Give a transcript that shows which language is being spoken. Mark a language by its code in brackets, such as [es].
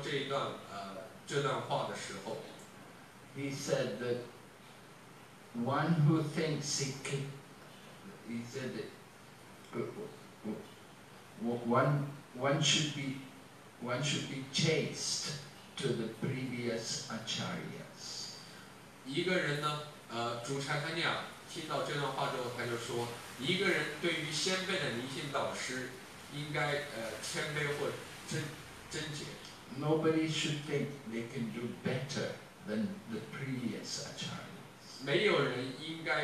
[zh] 当主柴檀雅听到巴拉巴说这段话的时候, [en] he said that one who thinks he can, he said that one should be chaste to the previous acharyas. [zh] 一个人呢，主柴檀雅 听到这段话之后，他就说，一个人对于先辈的灵性导师，应该谦卑或贞洁。 [en] Nobody should think they can do better than the previous acharyas.